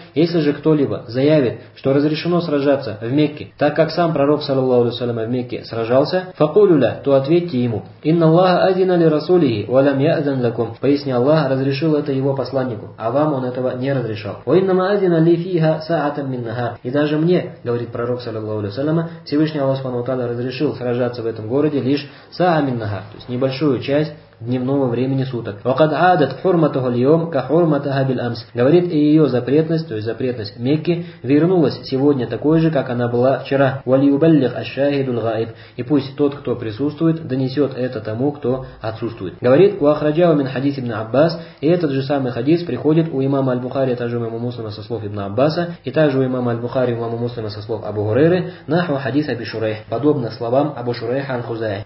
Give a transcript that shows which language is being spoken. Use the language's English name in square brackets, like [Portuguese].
[Russian] Если же кто-либо заявит, что разрешено сражаться в Мекке, так как сам пророк, саллаллаху алейхи ва саллям, в Мекке сражался, «факулю ля», то ответьте ему: «Инна Аллаха азина ли расулихи, валям яазан лаком». Поясни, Аллах разрешил это его посланнику, а вам он этого не разрешал. «Ва иннама азина ли фиха саатам миннаха». И даже мне, говорит пророк, саллаллаху алейхи ва саллям, Всевышний Аллах субхана ва тааля разрешил сражаться в этом городе лишь саа миннаха, то есть небольшую часть дневного времени суток. [Arabic] وقد عادت حرمته اليوم كحرمتها بالأمس. [Russian] Говорит, и ее запретность, то есть запретность Мекки, вернулась сегодня такой же, как она была вчера. [Arabic] وليبلغ الشاهد الغائب. [Russian] И пусть тот, кто присутствует, донесет это тому, кто отсутствует. [Arabic] Говорит, وأخرجه من حديث ابن عباس. [Russian] И этот же самый хадис приходит у имама Аль-Бухари, также у имама Муслима со слов ибн Аббаса, и также у имама Аль-Бухари, у имама Муслима со слов Абу Хурайры, нахва хадис Абу Шурайх, подобно словам Абу Шурайха ан-Хузаи.